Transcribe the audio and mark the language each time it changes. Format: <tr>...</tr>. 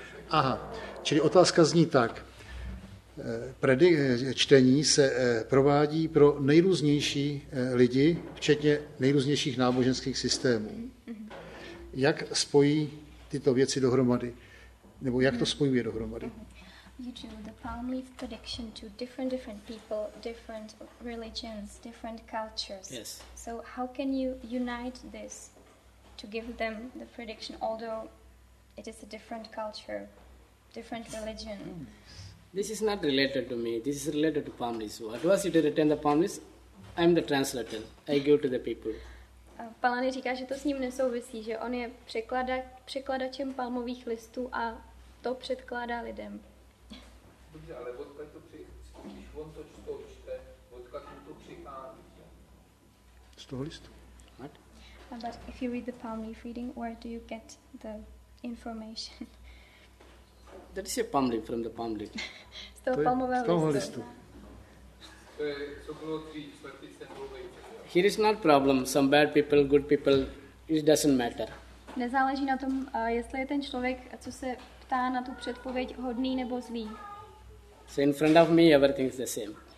<cs>Aha, čili otázka zní tak. Čtení se provádí pro nejrůznější lidi, včetně nejrůznějších náboženských systémů. Jak spojí tyto věci dohromady? Nebo jak to spojuje dohromady?</cs> <en>You do the palm leaf prediction to different people, different religions, different cultures. Yes. So how can you unite this to give them the prediction, although it is a different culture, different religion? This is not related to me. This is related to palm leaves. What was it to return the palm leaves? I'm the translator. I give to the people.</en> <cs>Palani říká, že to s ním nesouvisí, že on je překladačem palmových listů a to předkládá lidem. Dobře, ale odkud to přichází, když on to čte, odkud mu to přichází? Z toho listu.</cs> <en>But if you read the palm leaf reading, where do you get the information? That is a palm leaf from the palm leaf.</en> <cs>Z toho palmového listu. Z toho listu. To je, co bylo tří, čtvrtý, sedmý.</cs> <en>Here is not problem, some bad people, good people, it doesn't matter.</en> <cs>Nezáleží na tom, jestli je ten člověk, co se ptá na tu předpověď, hodný nebo zlý.</cs> <en>So in front of me, everything is the same.</en>